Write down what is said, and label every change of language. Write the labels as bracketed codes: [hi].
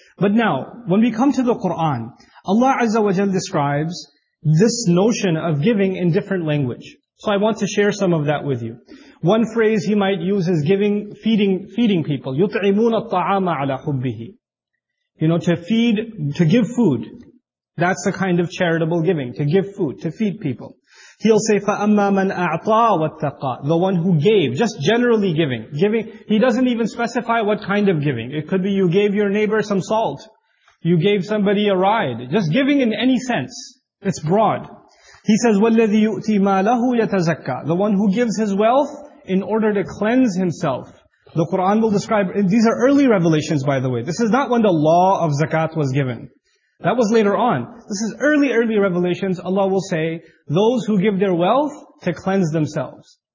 [en] But now, when we come to the Quran, Allah Azza wa Jal describes this notion of giving in different language. So I want to share some of that with you. One phrase He might use is giving, feeding people. [ar] يُطْعِمُونَ الطَّعَامَ عَلَى حُبِّهِ. [en] You know, to give food. That's the kind of charitable giving, to give food, to feed people. He'll say, [ar] فَأَمَّا مَنْ أَعْطَى وَاتَّقَى. [en] The one who gave, just generally giving. Giving, He doesn't even specify what kind of giving. It could be you gave your neighbor some salt. You gave somebody a ride. Just giving in any sense. It's broad. He says, [ar] وَالَّذِي يُؤْتِي مَالَهُ يَتَزَكَّى. [en] The one who gives his wealth in order to cleanse himself. The Quran will describe, and these are early revelations by the way. This is not when the law of zakat was given. That was later on. This is early, early revelations. Allah will say, those who give their wealth to cleanse themselves.